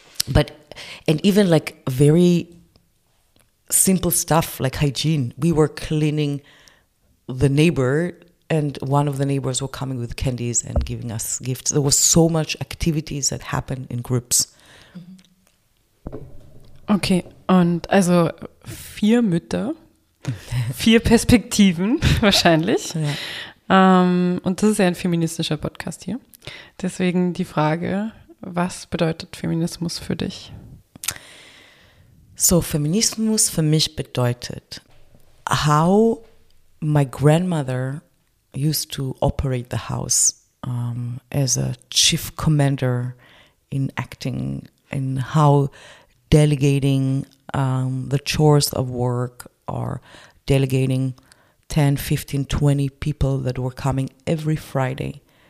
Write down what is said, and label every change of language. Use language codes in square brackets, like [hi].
[en] But, and even like very simple stuff like hygiene, we were cleaning the neighbor, and one of the neighbors were coming with candies and giving us gifts. There was so much activities that happened in groups. [de] Okay, und also vier Mütter, vier Perspektiven wahrscheinlich. Ja. Und das ist ja ein feministischer Podcast hier. Deswegen die Frage, was bedeutet Feminismus für dich? [en] So, [de] Feminismus für mich bedeutet, [en] how my grandmother used to operate the house as a chief commander in acting, in how delegating the chores of work or delegating 10, 15, 20 people that were coming every Friday